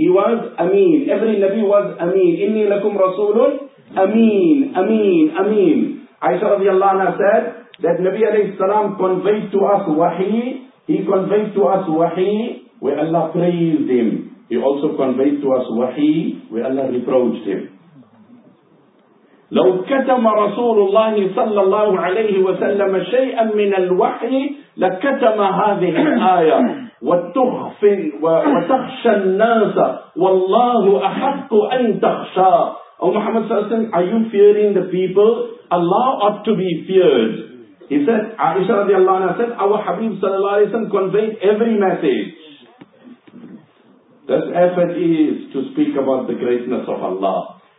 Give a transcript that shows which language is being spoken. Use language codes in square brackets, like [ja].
[en] He was Ameen. Every Nabi was Ameen. [ar] Inni lakum Rasulun Ameen, [en] Ameen, Ameen. Aisha radiallahu anha said that Nabi alayhi salam conveyed to us wahi. He conveyed to us wahi, where Allah praised him. He also conveyed to us wahi, where Allah reproached him. [ar] لو كتم رسول الله صلى الله عليه وسلم شيئا من الوحي لكتم هذه الآية وتخفن وتخشى الناس والله أحق أن تخشى. [en] Oh Muhammad صلى الله عليه وسلم, are you fearing the people? Allah ought to be feared. He said, Aisha radiallahu anha said, our Habib صلى الله عليه وسلم conveyed every message. This effort is to speak about the greatness of Allah.